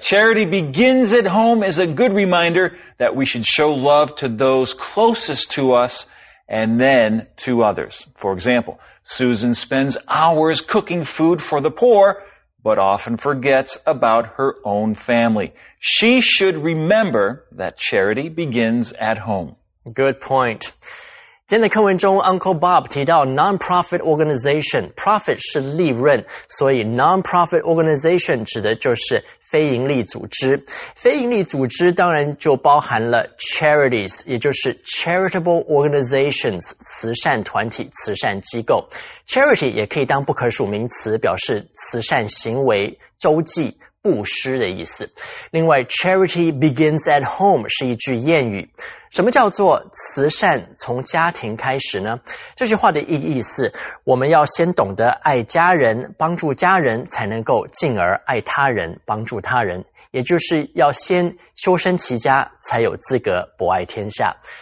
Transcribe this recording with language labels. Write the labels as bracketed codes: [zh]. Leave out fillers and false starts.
[en] Charity begins at home is a good reminder that we should show love to those closest to us and then to others. For example, Susan spends hours cooking food for the poor, but often forgets about her own family. She should remember that charity begins at home. Good point. [zh] 今天的课文中, Uncle Bob 提到 non-profit organization, profit 是利润, 所以 non-profit organization 指的就是非盈利组织。非盈利组织当然就包含了 charities, 也就是 charitable organizations, 慈善团体, 慈善机构。 Charity 也可以当不可数名词, 表示慈善行为, 周记, 布施的意思。另外, charity begins at home 是一句谚语。什么叫做慈善从家庭开始呢? 这句话的意义是, 我们要先懂得爱家人, 帮助家人, 才能够进而爱他人, 帮助他人, 也就是要先修身齐家, 才有资格博爱天下。